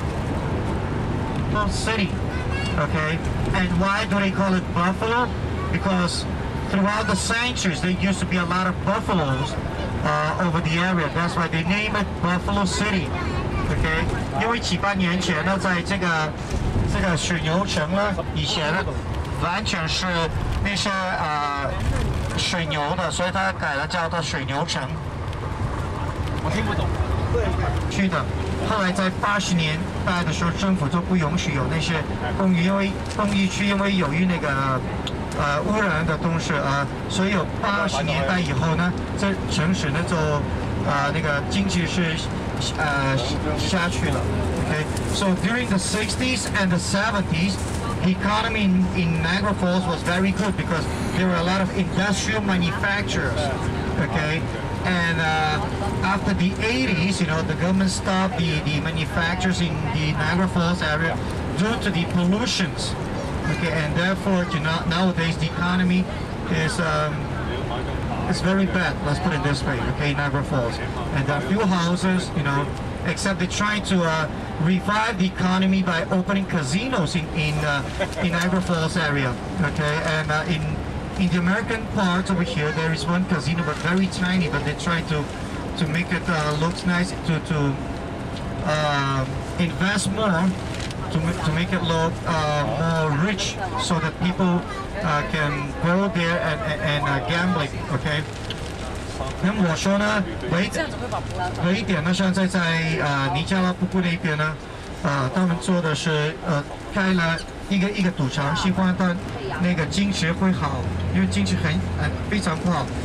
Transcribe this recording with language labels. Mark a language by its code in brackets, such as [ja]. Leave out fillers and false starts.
[en] Buffalo City, okay. And why do they call it Buffalo? Because throughout the centuries, there used to be a lot of buffaloes. Over the area, that's why they name it Buffalo City. [zh] Okay, 因为几百年前呢，在这个水牛城呢，以前呢完全是那些水牛的，所以它改了叫做水牛城。我听不懂。去的，后来在80年代的时候，政府就不允许有那些工业，因为工业区因为由于那个。污染的东西所以有80年代以后呢，这城市呢就那个经济是下去了。 [en] Okay, so during the 60s and the 70s, the economy in Niagara Falls was very good because there were a lot of industrial manufacturers. Okay, and after the 80s, you know, the government stopped the manufacturers in the Niagara Falls area due to the pollutions. Okay, and therefore, you know, nowadays the economy is very bad, let's put it this way, okay, Niagara Falls. And there are few houses, you know, except they're trying to revive the economy by opening casinos in Niagara Falls area, okay. And in the American part over here, there is one casino, but very tiny, but they try to make it look nice, to invest more. To make it look more rich, so that people can go there and gambling. Okay. [zh] 那么我说呢，唯一点呢，现在在尼加拉瀑布那边呢，他们做的是开了一个赌场，希望他那个经济会好，因为经济非常不好。